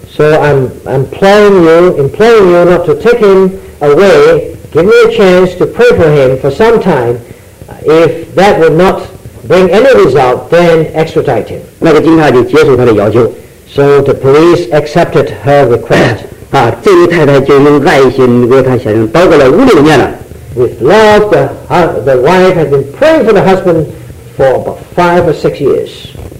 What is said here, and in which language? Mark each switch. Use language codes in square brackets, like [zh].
[en] So I'm imploring you not to take him away. Give me a chance to pray for him for some time. If that would not bring any result, then extradite him. [zh] 那个警察就接受他的要求。 [en] So the police accepted her request. [zh] 这位太太就用爱心为她先生祷告了五六年了。 [en] With love, the wife had been praying for the husband for about 5 or 6 years.